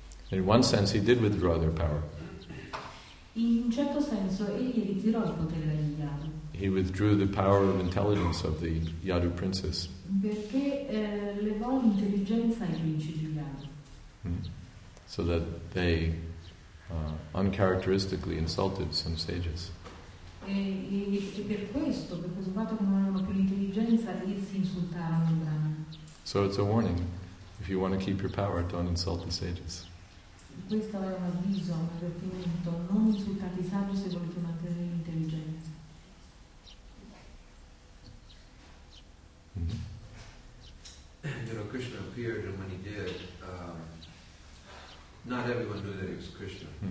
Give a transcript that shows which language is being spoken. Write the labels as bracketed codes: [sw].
[en] In one sense, he did withdraw their power. [it] In certo senso, egli ritirò il potere degli [en] Yadu. He withdrew the power of intelligence of the Yadu princess. [it] Perché levò l'intelligenza ai principi di Yadu. [en] So that they uncharacteristically insulted some sages. [it] E per questo, perché sbatto che non avevano più l'intelligenza, essi insultarono il Brahma. [en] So it's a warning. If you want to keep your power, don't insult the sages. [it] Questo è un avviso, un avvertimento. Non insultate i saggi se volete mantenere l'intelligenza. [en] You know, Krishna appeared, and when he did, not everyone knew that he was Krishna.